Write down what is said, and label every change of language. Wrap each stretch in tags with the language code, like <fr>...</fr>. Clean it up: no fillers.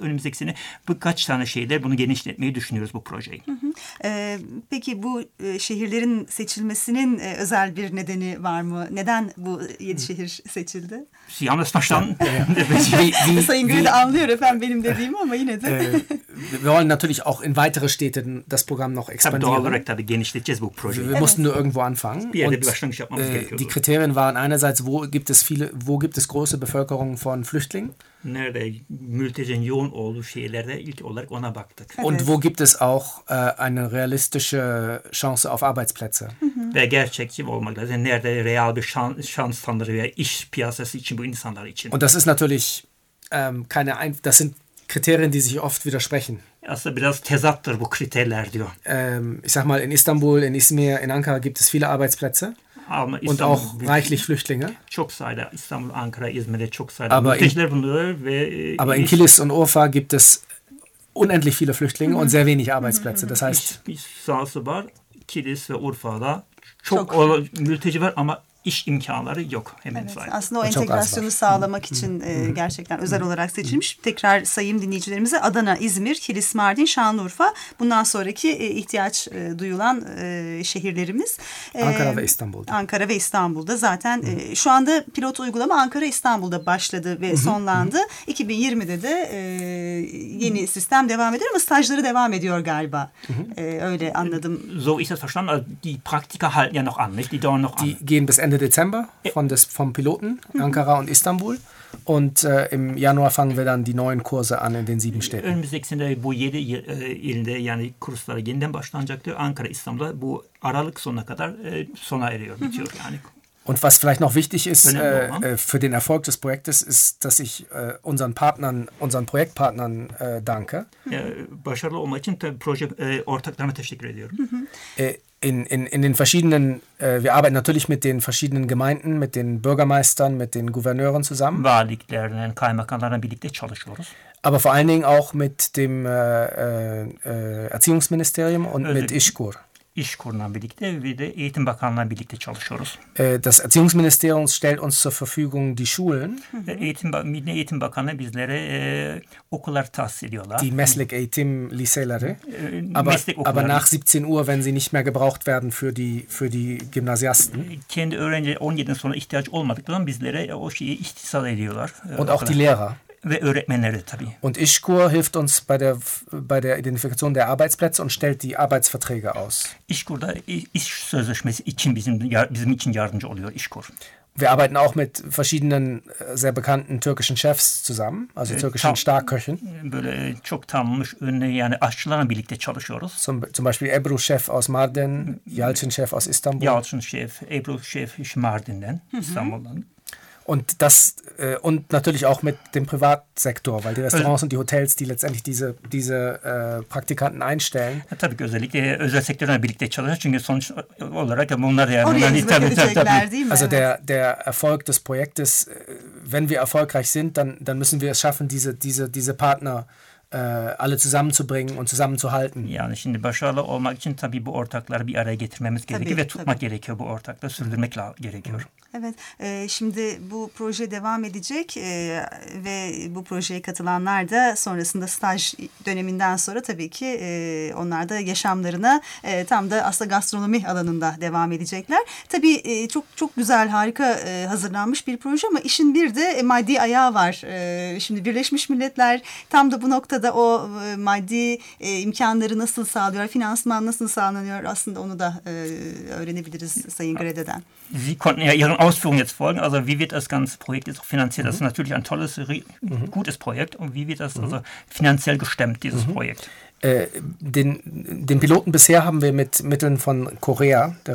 <tr>Önümüzdeki sene birkaç tane şehirde bunu genişletmeyi düşünüyoruz bu projeyi. Hı hı. Peki bu şehirlerin seçilmesinin özel bir nedeni var mı? Neden bu 7 şehir seçildi? Yalnız baştan... Sayın Gül'ü de anlıyor efendim benim dediğimi ama yine de.</tr> <de>Wir wollen natürlich auch in weitere Städte das Programm noch expandieren.</de> <tr>Tabii doğal olarak tabii genişleteceğiz bu projeyi.</tr> <de>Wir mussten nur irgendwo anfangen.</de> <tr>Bir yerde bir başlangıç yapmamız gerekiyordu.</tr> <de>Die Kriterien waren einerseits, wo gibt es große Bevölkerung von Flüchtlingen?</de> <tr>Nerede mültecinin yoğun olduğu şehirlerde ilk olarak ona baktık. Evet.</tr> <de>Und wo gibt es auch eine realistische Chance auf Arbeitsplätze?</de> <tr>Ve gerçekçi olmak lazım. Nerede real bir şans tanıdığı veya iş piyasası için bu insanlar için.</tr> <de>Und das ist natürlich das sind Kriterien, die sich oft widersprechen.</de> <tr>Aslında biraz tezattır bu kriterler diyor.</tr> <de>Ich sag mal, in İstanbul, in İzmir, in Ankara gibt es viele Arbeitsplätze. Und auch reichlich Flüchtlinge.</de> <tr>Çok sayıda İstanbul, Ankara, İzmir'de çok sayıda mülteciler bulunuyor ve</tr> <de>aber in Kilis und Urfa gibt es unendlich viele Flüchtlinge und sehr wenig Arbeitsplätze. Das heißt,</de> <tr>sahası var. Kilis ve Urfa'da çok mülteci var ama iş imkanları yok hemen evet, sayıda. Aslında o entegrasyonu sağlamak için gerçekten özel olarak seçilmiş. Tekrar sayayım dinleyicilerimize. Adana, İzmir, Kilis, Mardin, Şanlıurfa. Bundan sonraki ihtiyaç duyulan şehirlerimiz. Ankara ve İstanbul'da zaten. Şu anda pilot uygulama Ankara, İstanbul'da başladı ve sonlandı. 2020'de de yeni sistem devam ediyor ama stajları devam ediyor galiba. Öyle anladım.</tr> <de>So ist das verstanden. Die Praktika halten ja noch an, nicht? Die dauern noch an. Die gehen bis Ende Dezember vom Piloten Ankara und Istanbul und im Januar fangen wir dann die neuen Kurse an in den 7 Städten.</de> <tr>Önümüzdeki sene bu 7 ilde yani kurslara yeniden başlanacak diyor. Ankara, İstanbul'da bu Aralık sonuna kadar sona eriyor, bitiyor yani.</tr> <de>Und was vielleicht noch wichtig ist für den Erfolg des Projektes, ist, dass ich unseren Projektpartnern danke.</de> <tr>Başarılı olmak için tabii proje ortaklarına teşekkür ediyorum.</tr> <de>in den verschiedenen, wir arbeiten natürlich mit den verschiedenen Gemeinden, mit den Bürgermeistern, mit den Gouverneuren zusammen. Aber vor allen Dingen auch mit dem Erziehungsministerium und mit İşkur.</de> <tr>İşkur'la birlikte ve de Eğitim Bakanlığı'la birlikte çalışıyoruz.</tr> <de>Das Erziehungsministerium stellt uns zur Verfügung die Schulen.</de> <tr>Eğitim Bakanlığı bizlere okullar tahsis ediyorlar.</tr> <de>Die Meslek-Eğitim-Liseleri. Aber nach 17 Uhr, wenn sie nicht mehr gebraucht werden für die Gymnasiasten.</de> <tr>Kendi öğrenci 17'den sonra ihtiyaç olmadıktan bizlere o şeyi ihtisal ediyorlar.</tr> <de>Und auch die Lehrer.</de> <tr>Ve öğretmenleri tabii.</tr> <de>Und İşkur hilft uns bei der Identifikation der Arbeitsplätze und stellt die Arbeitsverträge aus.</de> <tr>İşkur da iş sözleşmesi için bizim için yardımcı oluyor İşkur.</tr> <de>Wir arbeiten auch mit verschiedenen sehr bekannten türkischen Chefs zusammen, also türkischen Starköchen.</de> <tr>Böyle çok tanınmış ünlü yani aşçılarla birlikte çalışıyoruz.</tr> <de>Zum Beispiel Ebru Chef aus Mardin, Yalçın Chef aus İstanbul.</de> <tr>Yalçın Chef, Ebru Chef aus Mardin'den, İstanbul'dan.</tr> <de>Und das und natürlich auch mit dem Privatsektor, weil die Restaurants und die Hotels, die letztendlich diese Praktikanten einstellen.</de> <tr>Ja, tabii ki özellikle özel sektörle birlikte çalışıyor çünkü sonuç olarak bunlar yani onlar tabii.</tr> <de>Also der Erfolg des Projektes, wenn wir erfolgreich sind, dann müssen wir es schaffen, diese Partner alle zusammenzubringen und zusammenzuhalten.</de> <tr>Yani şimdi başarılı olmak için tabii bu ortakları bir araya getirmemiz gerekiyor tabii, ve tutmak tabii. Gerekiyor bu ortakları, sürdürmek gerekiyor. Evet, şimdi bu proje devam edecek ve bu projeye katılanlar da sonrasında staj döneminden sonra tabii ki onlar da yaşamlarına tam da aslında gastronomi alanında devam edecekler. Tabii çok çok güzel, harika hazırlanmış bir proje ama işin bir de maddi ayağı var. Şimdi Birleşmiş Milletler tam da bu noktada o maddi imkanları nasıl sağlıyor, finansman nasıl sağlanıyor aslında onu da öğrenebiliriz Sayın Grede'den.</tr> <de>Sie konnten ja Ihren Ausführungen jetzt folgen. Also wie wird das ganze Projekt jetzt auch finanziert? Das ist natürlich ein tolles, gutes Projekt. Und wie wird das also finanziell gestemmt, dieses Projekt? Den Piloten bisher haben wir mit Mitteln von Korea</de>